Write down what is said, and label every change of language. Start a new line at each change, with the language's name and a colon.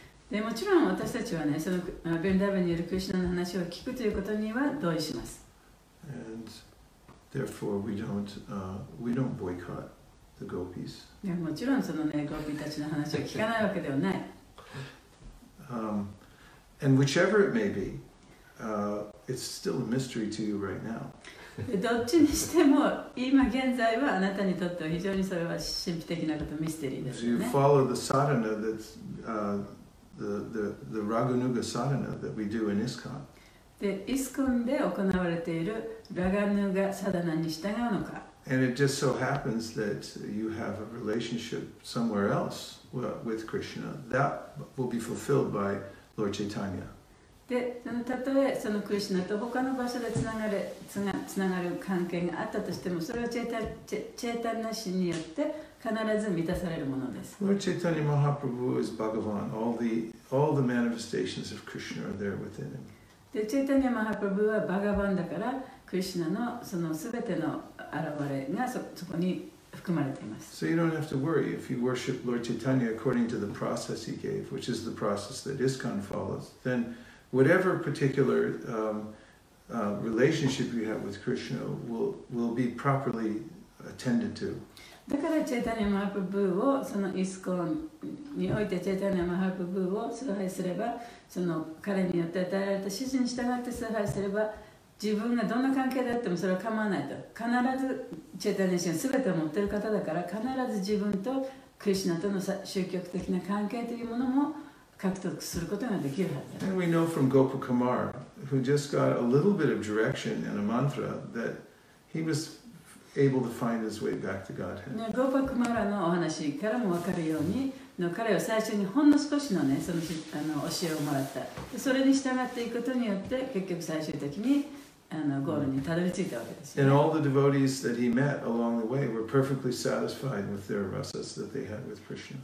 Japanese: でもちろん私たちはね、そのヴリンダーヴァンによるクリシナの話を聞くということには同意します。
English: And therefore we don't boycott the gopis.
Japanese: でもちろんそのね、ゴピーたちの話を聞かないわけではない。
English: And whichever it may be, it's still a mystery to you right now.
Japanese: どっちにしても今現在はあなたにとっては非常にそれは神秘的なことミステリーですね。
English: If you follow the sadhana that's the Raghunuga sadhana that we do in ISKCON.
Japanese: で、ISKCON で行われているラガヌガサダナに従うのか。
English: And it just so happens that you have a relationship somewhere else with Krishna. That will be fulfilled by Lord Chaitanya.
Japanese: で、たとえそのクリシナと他の場所でつながる関係があったとしても、それはチェイタニア氏によって必ず満たされるものです。
English: Lord Chaitanya Mahaprabhu is Bhagavan. All the manifestations of Krishna are there within him.
Japanese: で、チェイタニア・マハプラブーはバガヴァンだから、クリシナのその全ての現れが そこに含まれています。
English: So you don't have to worry if you worship Lord Chaitanya according to the process he gave, which is the process that ISKCON follows, then whatever particular relationship you have with Krishna will be properly attended to.
Japanese: だからチェイタニア・マハプラブーをそのイスコンにおいてチェイタニア・マハプラブーを崇拝すれば、その彼によって与えられた指示に従って崇拝すれば、自分がどんな関係であってもそれは構わないと。必ずチェイタニア氏が全てを持っている方だから、必ず自分とクリシナとの宗教的な関係というものも獲得することができるはずだ。
English: And we know from Gopa Kumar, who just got a little bit of direction and a mantra, that he was able to find his way back to Godhead.
Japanese: ゴパ・クマラのお話からも分かるように、彼は最初にほんの少しのね、その教えをもらった。それに従っていくことによって、結局最終的にゴールにたどり着いたわけです
English: ね。And all the devotees that he met along the way were perfectly satisfied with their rasas that they had with Krishna.